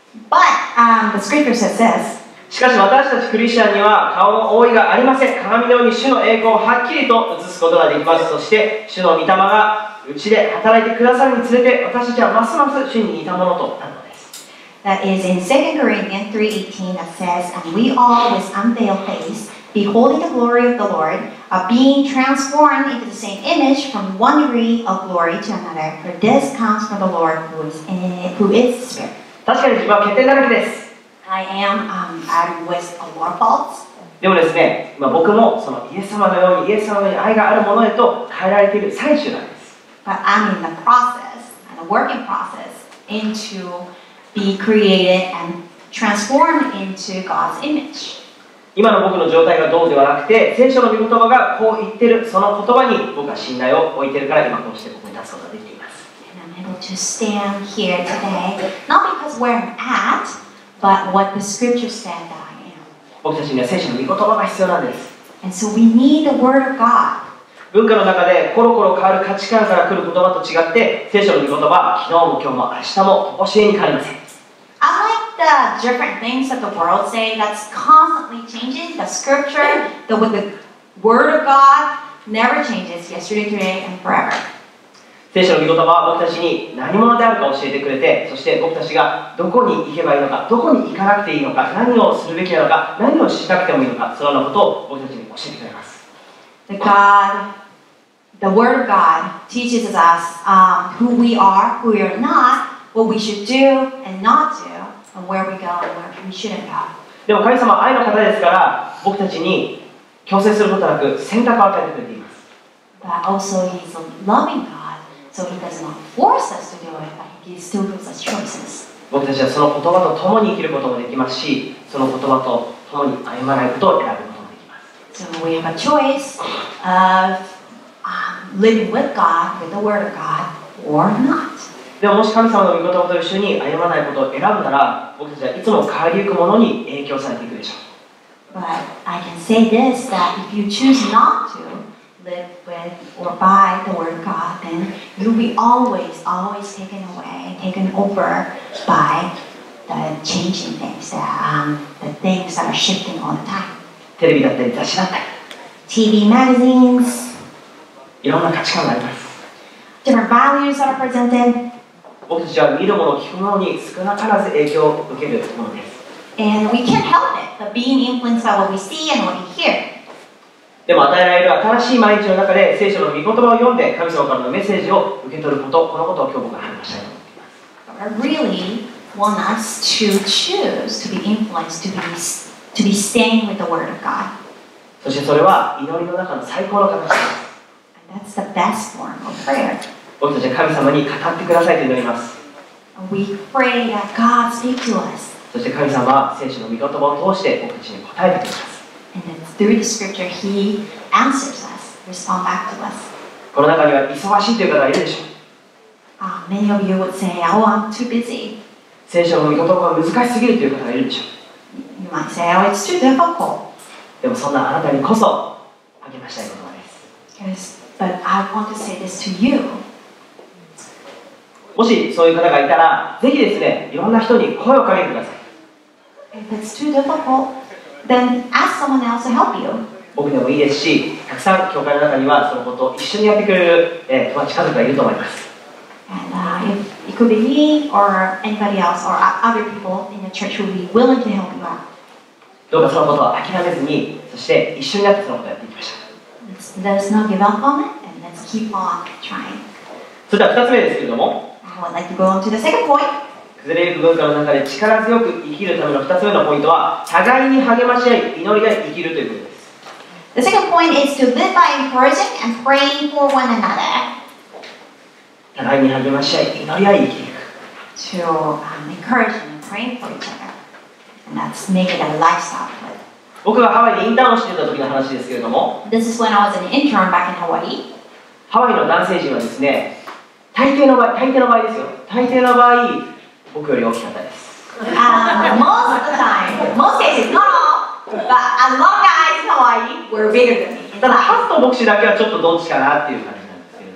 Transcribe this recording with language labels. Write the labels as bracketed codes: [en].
[en] But the scripture says this. [ja] しかし私たちクリスチャンには顔の覆いがありません。鏡のように主の栄光をはっきりと映すことができます。そして主の御霊がうちで働いてくださるにつれて、私たちはますます主に似たものとなるのです。 [en] That is in 2 Corinthians 3:18 that says, and we all with unveiled face, beholding the glory of the Lord, are being transformed into the same image from one degree of glory to another. For this comes from the Lord who is spirit. [ja] 確かに自分は欠点だらけです。 [en] I am with a lot of faults. [ja] でもですね、まあ、僕もそのイエス様のようにイエス様に愛があるものへと変えられている最中なんです。 [en] But I'm in the process, the working process, into be created and transformed into God's image. [ja] 今の僕の状態がどうではなくて、聖書の御言葉がこう言ってるその言葉に僕は信頼を置いてるから今こうしてここに立つことができています。 [en] To stand here today, not because where I'm at, but what the scripture said that I am. [ja] 僕たちには聖書の御言葉が必要なんです。 [en] And so we need the word of God. [ja] 文化の中でコロコロ変わる価値観から来る言葉と違って、聖書の御言葉は昨日も今日も明日も教えに変わりません。 [en] I like the different things that the world say that's constantly changing. The scripture, the word of God never changes yesterday, today, and forever. [ja] 聖書の御言葉は僕たちに何者であるか教えてくれて、そして僕たちがどこに行けばいいのか、どこに行かなくていいのか、何をするべきなのか、何をしなくてもいいのか、そのことを僕たちに教えてくれます。 [en] The God, the Word of God teaches us who we are, who we are not, what we should do and not do, and where we go and where we shouldn't go. [ja] でも神様は愛の方ですから、僕たちに強制することなく選択を与えてくれています。 [en] But also He's a loving God. So he does not force us to do it, but he still gives us choices. [ja] 僕たちはその言葉と共に生きることもできますし、その言葉と共に歩まないことを選ぶこともできます。 [en] So we have a choice of living with God, with the word of God, or not. [ja] でももし神様の御言葉と一緒に歩まないことを選ぶなら、僕たちはいつも変わりゆくものに影響されていくでしょう。 [en] But I can say this, that if you choose not to,live with or by the word of God, then you'll be always, always taken away, taken over by the changing things, the things that are shifting all the time. [ja] テレビだったり雑誌だったり。 [en] TV magazines. [ja] いろんな価値観があります。 [en] Different values are presented. [ja] 僕たちは見るもの、聞くものに少なからず影響を受けるものです。 [en] And we can't help it, but being influenced by what we see and what we hear. [ja] でも与えられる新しい毎日の中で聖書の御言葉を読んで神様からのメッセージを受け取ること、このことを今日僕は話したいと思っています。 [en] I really want us to choose to be influenced, to be staying with the word of God. [ja] そしてそれは祈りの中の最高の形です。 [en] And that's the best form of prayer. [ja] 僕たちは神様に語ってくださいと祈ります。 [en] We pray that God speak to us. [ja] そして神様は聖書の御言葉を通して僕たちに答えてくれます。 [en] And then through the scripture, he answers us, respond back to us. [ja] この中には忙しいという方がいるでしょう。 [en] Many of you would say, oh, I'm too busy. [ja] 聖書の御言葉が難しすぎるという方がいるでしょう。 [en] You might say, oh, it's too difficult. [ja] でもそんなあなたにこそ励ましたい言葉です。 [en] Yes, but I want to say this to you. [ja] もしそういう方がいたら、ぜひですね、いろんな人に声をかけてください。 [en] If it's too difficult,Then ask someone else to help you. [ja] 僕でもいいですし、たくさん教会の中にはそのことを一緒にやってくれる友達家族がいると思います。 [en] And if it could be me or anybody else or other people in the church would be willing to help you out. [ja] どうかそのことを諦めずに、そして一緒になってそのことをやっていきましょう。 [en] Let us not give up on it and let's keep on trying. [ja] それでは二つ目ですけれども。 [en] I would like to go on to the second point. [ja] 崩れゆく文化の中で力強く生きるための2つ目のポイントは互いに励まし合い祈りで生きるということです。 [en] The second point is to live by encouraging and praying for one another. [ja] 互いに励まし合い祈りで生きる。 [en] To encourage and praying for each other. And that's making a lifestyle. [ja] 僕がハワイでインターンをしていた時の話ですけれども、 [en] This is when I was an intern back in Hawaii. [ja] ハワイの男性陣はですね、大抵の場合ですよ、大抵の場合僕より大きかったです。 [en] Most of the time, most cases, not all, but a lot of guys in Hawaii were bigger than me. [ja] ただハット牧師だけはちょっとどっちかなっていう感じなんです。